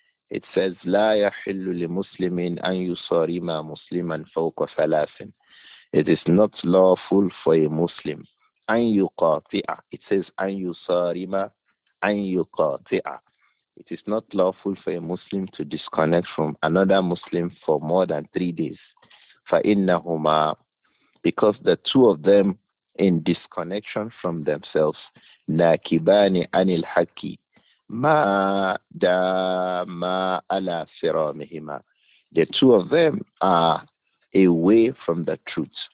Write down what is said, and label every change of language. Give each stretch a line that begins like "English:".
English: It says,
Arabic: لا يحل لمسلمين أن يصارم مسلما فوق ثلاث.
English: It is not lawful for a Muslim.
Arabic: أن يقاطع.
English: It says,
Arabic: أن يصارم أن يقاطع.
English: It is not lawful for a Muslim to disconnect from another Muslim for more than 3 days.
Arabic: فَإِنَّهُمَا,
English: because the two of them in disconnection from themselves,
Arabic: نَاكِبَانِ عَنِ الْحَكِّ مَا دَامَا عَلَى صِرَامِهِمَا,
English: the two of them are away from the truth.